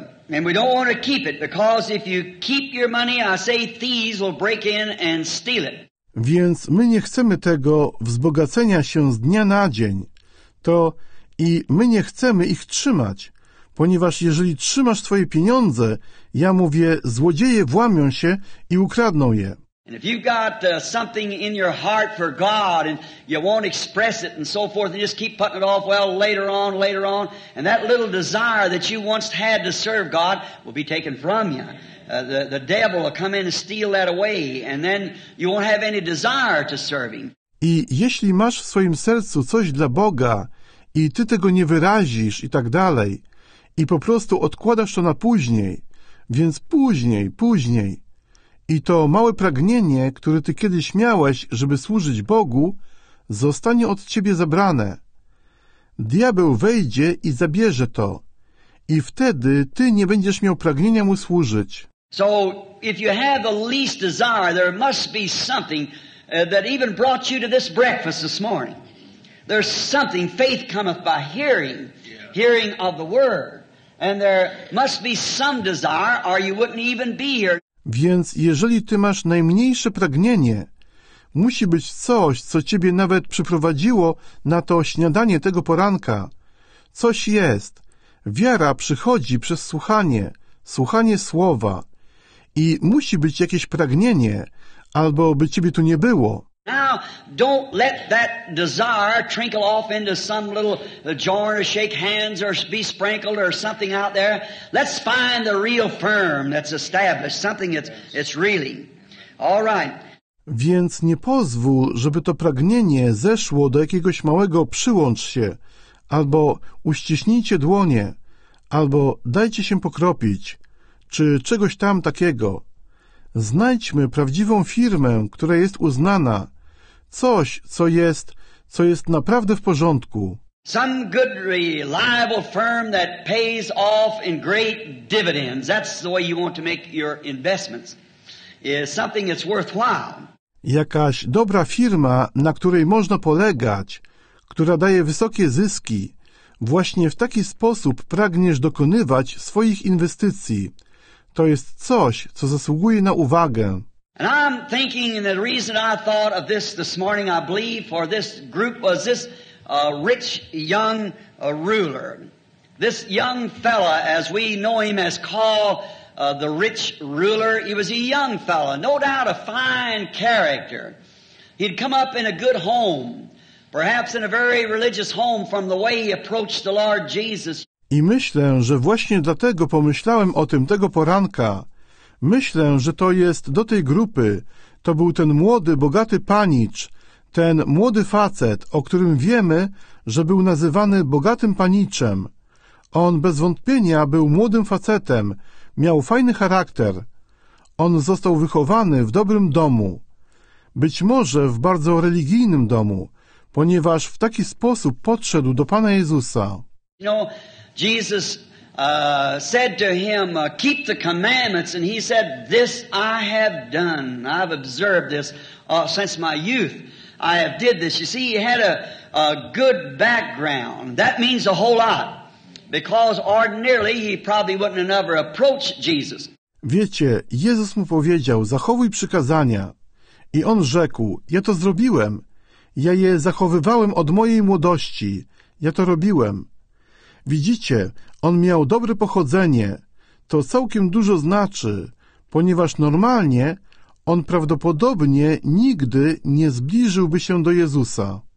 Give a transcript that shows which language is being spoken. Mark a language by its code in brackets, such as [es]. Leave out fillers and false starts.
[en] And we don't want to keep it, because if you keep your money, I say thieves will break in and steal it. [pl] Więc my nie chcemy tego wzbogacenia się z dnia na dzień. To i my nie chcemy ich trzymać. Ponieważ jeżeli trzymasz swoje pieniądze, ja mówię, złodzieje włamią się i ukradną je. [en] And if you've got something in your heart for God and you won't express it and so forth and just keep putting it off, well, later on, and that little desire that you once had to serve God will be taken from you. The devil will come in and steal that away and then you won't have any desire to serve him. [pl] I jeśli masz w swoim sercu coś dla Boga i ty tego nie wyrazisz i tak dalej, i po prostu odkładasz to na później, więc później. I to małe pragnienie, które ty kiedyś miałeś, żeby służyć Bogu, zostanie od ciebie zabrane. Diabeł wejdzie i zabierze to. I wtedy ty nie będziesz miał pragnienia mu służyć. [en] So, if you have the least desire, there must be something that even brought you to this breakfast this morning. There's something, faith cometh by hearing. Hearing of the word, and there must be some desire, or you wouldn't even be here. [pl] Więc jeżeli ty masz najmniejsze pragnienie, Musi być coś, co Ciebie nawet przyprowadziło na to śniadanie tego poranka. Coś jest. Wiara przychodzi przez słuchanie, słuchanie słowa. I musi być jakieś pragnienie, albo by Ciebie tu nie było. [en] Now, don't let that desire trickle off into some little jar, shake hands, or be sprinkled, or something out there. Let's find the real firm that's established, something that's really. All right. [pl] Więc nie pozwól, żeby to pragnienie zeszło do jakiegoś małego przyłącz się, albo uściśnijcie dłonie, albo dajcie się pokropić, czy czegoś tam takiego. Znajdźmy prawdziwą firmę, która jest uznana. Coś, co jest naprawdę w porządku. [en] Some good reliable firm that pays off in great dividends. That's the way you want to make your investments. Is something that's worthwhile. [pl] Jakaś dobra firma, na której można polegać, która daje wysokie zyski. Właśnie w taki sposób pragniesz dokonywać swoich inwestycji. To jest coś, co zasługuje na uwagę. [en] And I'm thinking, and the reason I thought of this morning, I believe, for this group was this rich young ruler. This young fella, as we know him as called the rich ruler, he was a young fella, no doubt a fine character. He'd come up in a good home, perhaps in a very religious home from the way he approached the Lord Jesus. [pl] I myślę, że właśnie dlatego pomyślałem o tym tego poranka. Myślę, że to jest do tej grupy. To był ten młody, bogaty panicz, ten młody facet, o którym wiemy, że był nazywany bogatym paniczem. On bez wątpienia był młodym facetem, miał fajny charakter. On został wychowany w dobrym domu. Być może w bardzo religijnym domu, ponieważ w taki sposób podszedł do Pana Jezusa. No. [en] Jesus said to him, keep the commandments, and he said, this I have done. I've observed this since my youth. I have did this. You see, he had a good background. That means a whole lot, because ordinarily he probably wouldn't have ever approached Jesus. [pl] Wiecie, Jezus mu powiedział, zachowuj przykazania. I on rzekł, ja to zrobiłem. Ja je zachowywałem od mojej młodości. Ja to robiłem. Widzicie, on miał dobre pochodzenie. To całkiem dużo znaczy, ponieważ normalnie on prawdopodobnie nigdy nie zbliżyłby się do Jezusa.